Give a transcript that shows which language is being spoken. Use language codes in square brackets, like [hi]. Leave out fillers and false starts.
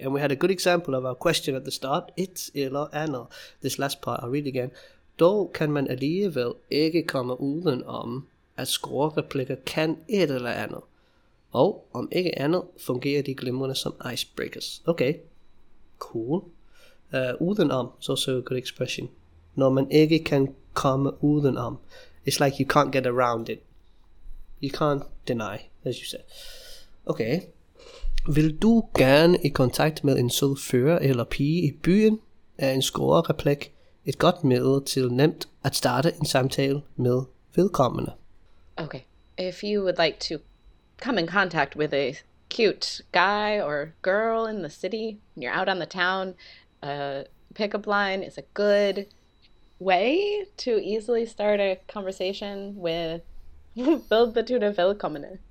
[en] And we had a good example of our question at the start. It's [da] eller andet. [en] This last part, I'll read again. [da] Dog kan man alligevel ikke komme uden om, at score replikker kan et eller andet. Og om ikke andet, fungerer de glimrende som icebreakers. Okay. Cool. [en] Uden om is also a good expression. [da] Når man ikke kan komme uden om. [en] It's like you can't get around it. You can't deny, as you said. Okay. [da] Vil du gerne i kontakt med en sød fører eller pige i byen? Er en scorereplik et godt middel til nemt at starte en samtale med vedkommende? Okay. [en] If you would like to come in contact with a cute guy or girl in the city, and you're out on the town, a pickup line is a good way to easily start a conversation with build the tune of velkommen.